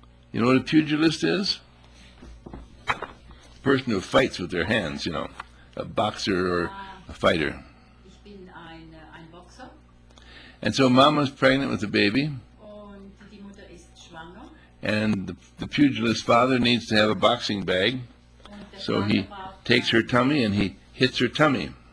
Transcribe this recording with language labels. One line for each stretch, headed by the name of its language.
English: You know what a pugilist is? A person who fights with their hands, you know, a boxer or a fighter.
German: Ich bin ein Boxer.
English: And so mama's pregnant with the baby.
German: Und die Mutter ist schwanger.
English: And the pugilist father needs to have a boxing bag. So he takes her tummy and he hits her tummy.